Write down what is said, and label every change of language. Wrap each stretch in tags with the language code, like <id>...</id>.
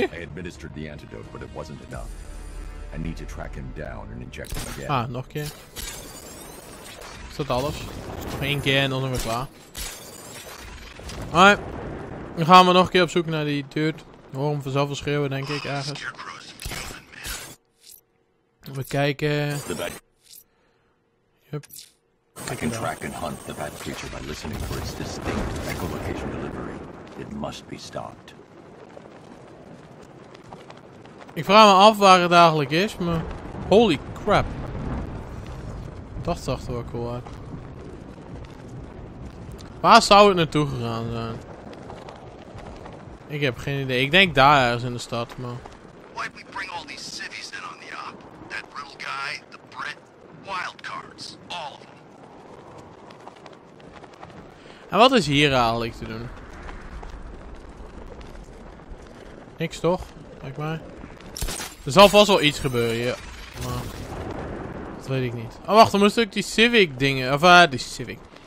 <en>I administered the antidote, but it wasn't enough. I need to track him down and inject him again.</en> <nl>Ah, nog een keer. Is dat alles? Nog één keer en dan zijn we klaar. Hoi, dan gaan we nog een keer op zoek naar die dude. We horen hem vanzelf wel schreeuwen, denk ik, ergens. Even kijken. Yep.</nl> <en>I can track and hunt the bad creature by listening for its distinct echolocation delivery. It must be stopped.</en> <nl>Ik vraag me af waar het eigenlijk is, maar...</nl> <en>Holy crap.</en> <nl>Dat zag er wel cool uit. Waar zou het naartoe gegaan zijn? Ik heb geen idee. Ik denk daar ergens in de stad, maar...</nl> <en>Why'd we bring all these civvies in on the op? That little guy, the Brit, wildcards, all of them.</en> <nl>En wat is hier eigenlijk te doen? Niks toch? Kijk maar. Er zal vast wel iets gebeuren, ja. Maar... Dat weet ik niet. Oh wacht, dan moest ik die civic dingen... Of die civic.</nl>